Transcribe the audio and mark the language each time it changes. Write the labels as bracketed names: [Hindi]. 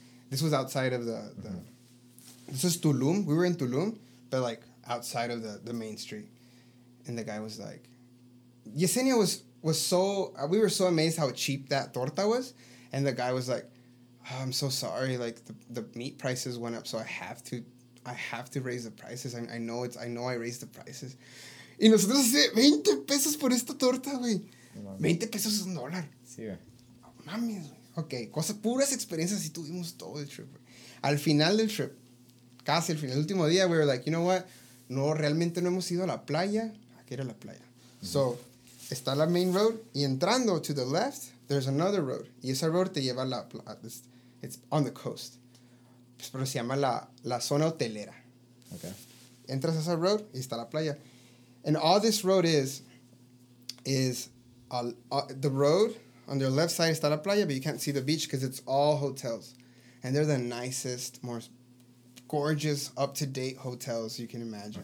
[English] This was outside of the this was Tulum. We were in Tulum, but, like, outside of the main street. And the guy was like, Yesenia was so, we were so amazed how cheap that torta was. And the guy was like, oh, I'm so sorry. Like, the meat prices went up, so I have to raise the prices. I know I raised the prices. [Spanish] Y nosotros así, 20 pesos por esta torta, güey. ¿20 pesos es un dólar? Sí, güey. Oh, mami, güey. Ok, puras experiencias y tuvimos todo el trip, güey. Al final del trip, casi al final, el último día, [English] we were like, you know what? [Spanish] No, realmente no hemos ido a la playa. Aquí era la playa. Mm-hmm. [English] So, está la main road y entrando to the left, there's another road. [Spanish] Y esa road te lleva a la playa. [English] It's on the coast. [Spanish] Pero se llama la zona hotelera. [English] Ok. [Spanish] Entras a esa road y está la playa. [English] And all this road is the road on their left side [Spanish] está la playa, [English] but you can't see the beach because it's all hotels. And they're the nicest, most gorgeous, up-to-date hotels you can imagine.